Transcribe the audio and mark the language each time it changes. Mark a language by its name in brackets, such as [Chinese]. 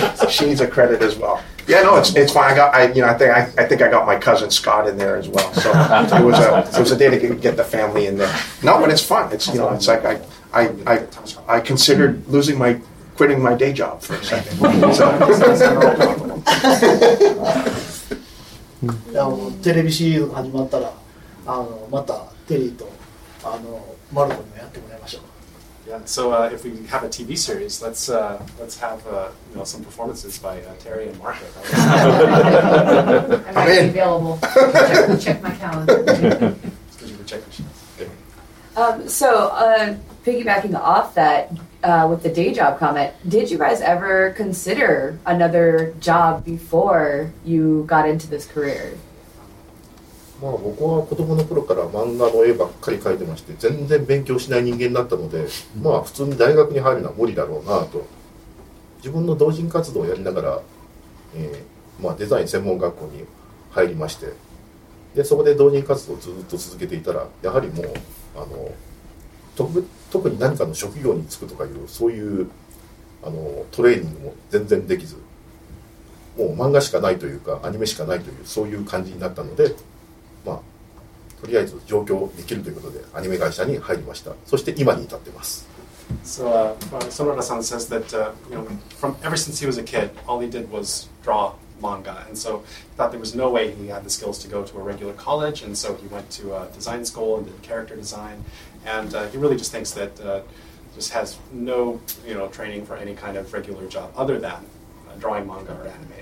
[English] She needs a credit as well. Yeah, no, it's fine. I think I got my cousin Scott in there as well. So it was a day to get the family in there. No, but it's fun. It's it's like I considered quitting my day job for a second. So. [Japanese] テレビシリーズが始まったら、またテリーとマルコにもやってもらいましょう。 [English] Yeah, so if we have a TV series, let's have some performances by Terry and Marco. I'm in. Available. Check my calendar. You can check machines. Piggybacking off that with the day job comment, did you guys ever consider another job before you got into this career? [Japanese] まあ、僕は子供の頃から漫画の絵ばっかり描いてまして、全然勉強しない人間だったので、まあ普通に大学に入るのは無理だろうなと。自分の同人活動をやりながら、デザイン専門学校に入りまして、でそこで同人活動をずっと続けていたら、やはりもう特に何かの職業に就くとかいう、そういうトレーニングも全然できず、もう漫画しかないというかアニメしかないという、そういう感じになったので、とりあえず上京できるということでアニメ会社に入りました。そして今に至ってます。 [English] So, Sonora-san says that from ever since he was a kid, all he did was draw manga, and so he thought there was no way he had the skills to go to a regular college, and so he went to a design school and did character design, and he really just thinks that just has no training for any kind of regular job other than drawing manga or anime.